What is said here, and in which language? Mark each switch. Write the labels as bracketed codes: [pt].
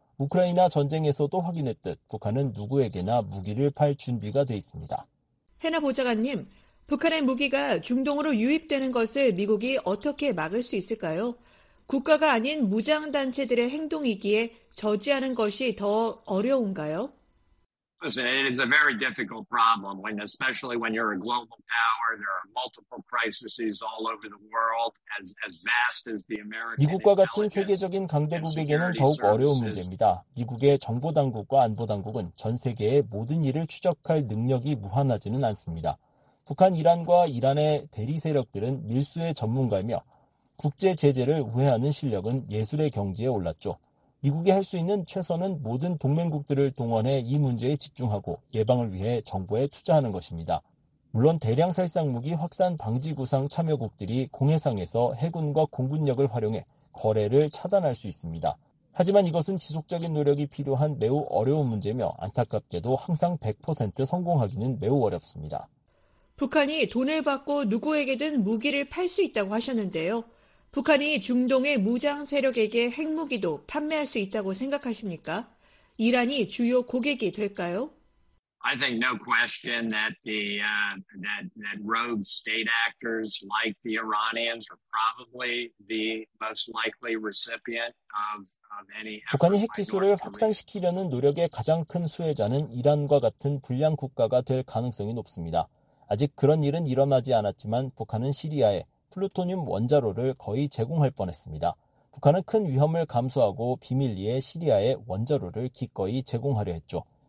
[ko] 우크라이나 전쟁에서도 확인했듯 북한은 누구에게나 무기를 팔 준비가 돼 있습니다. 해나 보좌관님, 북한의 무기가 중동으로 유입되는 것을 미국이 어떻게 막을 수 있을까요? 국가가 아닌 무장단체들의 행동이기에 저지하는 것이 더 어려운가요? [en] Listen, it is a very difficult problem, when, especially when you're a global power. There are multiple crises all over the world, as vast as the American. [ko] 미국과 같은 세계적인 강대국에게는 더욱 어려운 문제입니다. 미국의 정보 당국과 안보 당국은 전 세계의 모든 일을 추적할 능력이 무한하지는 않습니다. 북한, 이란과 이란의 대리 세력들은 밀수의 전문가이며 국제 제재를 우회하는 실력은 예술의 경지에 올랐죠. 미국이 할 수 있는 최선은 모든 동맹국들을 동원해 이 문제에 집중하고 예방을 위해 정보에 투자하는 것입니다. 물론 대량 살상 무기 확산 방지 구상 참여국들이 공해상에서 해군과 공군력을 활용해 거래를 차단할 수 있습니다. 하지만 이것은 지속적인 노력이 필요한 매우 어려운 문제며 안타깝게도 항상 100% 성공하기는 매우 어렵습니다. 북한이 돈을 받고 누구에게든 무기를 팔 수 있다고 하셨는데요. 북한이 중동의 무장 세력에게 핵무기도 판매할 수 있다고 생각하십니까? 이란이 주요 고객이 될까요? [en] I think no question that that rogue state actors like the Iranians are probably the most likely recipient of any. [ko] 북한이 핵 기술을 확산시키려는 노력의 가장 큰 수혜자는 이란과 같은 불량 국가가 될 가능성이 높습니다. 아직 그런 일은 일어나지 않았지만 북한은 시리아에 플루토늄 원자로를 거의 제공할 뻔했습니다. 북한은 큰 위험을 감수하고 비밀리에 시리아의 원자로를 기꺼이 제공하려 했죠.